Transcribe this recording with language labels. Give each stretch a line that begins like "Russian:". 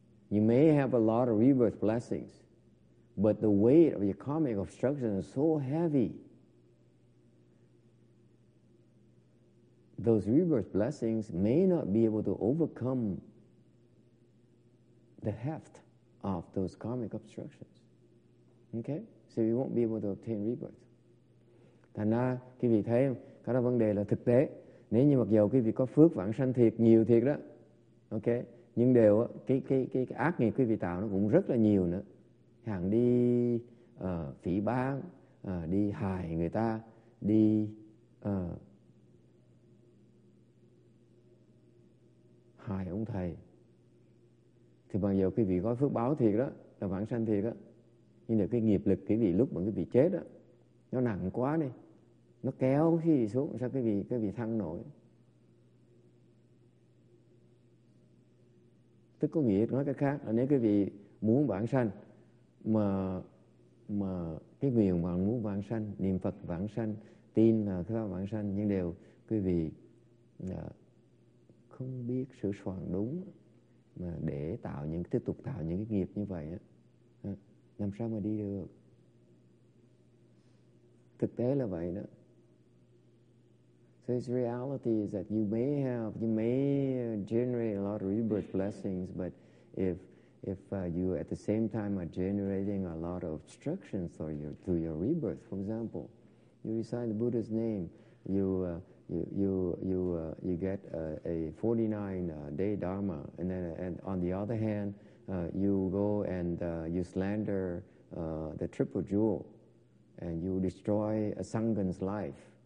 English: You may have a lot of rebirth blessings, but the weight of your karmic obstruction is so heavy. Those rebirth blessings may not be able to overcome the heft of those karmic obstructions. Okay? So you won't be able to obtain rebirth.
Vietnamese: Thành ra, quý vị thấy không? Cái đó vấn đề là thực tế. Nếu như mặc dù quý vị có phước vãng sanh thiệt, nhiều thiệt đó, ok, nhưng đều cái ác nghiệp quý vị tạo nó cũng rất là nhiều nữa. Hàng đi phỉ báng, đi hại người ta, đi hại ông thầy. Thì mặc dù quý vị có phước báo thiệt đó, là vãng sanh thiệt đó, nhưng cái nghiệp lực quý vị lúc mà quý vị chết đó, nó nặng quá đi. Nó kéo khi xuống sao cái vị thăng nổi. Tức có nghĩa nói cái khác là nếu cái vị muốn vãng sanh mà cái nguyện vọng muốn vãng sanh, niệm Phật vãng sanh, tin là pháp vãng sanh, nhưng đều quý vị không biết sửa soạn đúng mà để tạo những tiếp tục tạo những cái nghiệp như vậy á, làm sao mà đi được. Thực tế là vậy đó.
English: So its reality is that you may generate a lot of rebirth blessings, but if you at the same time are generating a lot of obstructions to your rebirth, for example, you recite the Buddha's name, you get a 49-day dharma, and then and on the other hand, you go and you slander the triple jewel, and you destroy a sangha's life.